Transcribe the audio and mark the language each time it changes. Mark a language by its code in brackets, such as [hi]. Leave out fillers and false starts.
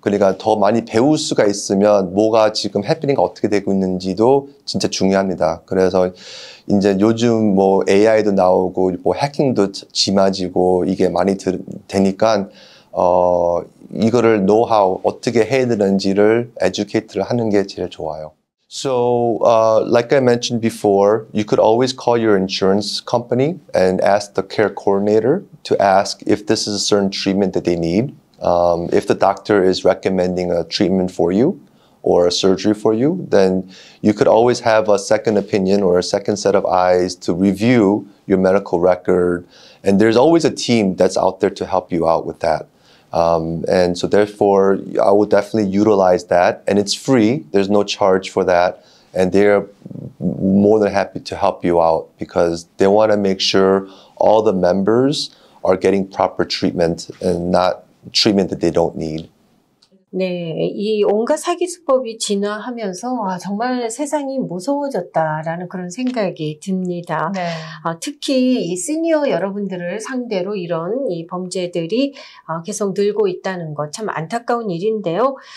[ko] 그러니까 더 많이 배울 수가 있으면 뭐가 지금 happening가 어떻게 되고 있는지도 진짜 중요합니다. 그래서 이제 요즘 뭐 AI도 나오고 뭐 해킹도 심해지고 이게 많이 되니까 이거를 노하우 어떻게 해야 되는지를 educate를 하는 게 제일 좋아요. [en] So, like I mentioned before, you could always call your insurance company and ask the care coordinator to ask if this is a certain treatment that they need, if the doctor is recommending a treatment for you or a surgery for you, then you could always have a second opinion or a second set of eyes to review your medical record. And there's always a team that's out there to help you out with that. And so therefore, I would definitely utilize that. And it's free. There's no charge for that. And they're more than happy to help you out because they want to make sure all the members are getting proper treatment and not treatment that they don't need. [ko] 네, 이 온갖 사기 수법이 진화하면서 정말 세상이 무서워졌다라는 그런 생각이 듭니다. 네. 특히 이 시니어 여러분들을 상대로 이런 이 범죄들이 계속 늘고 있다는 것 참 안타까운 일인데요.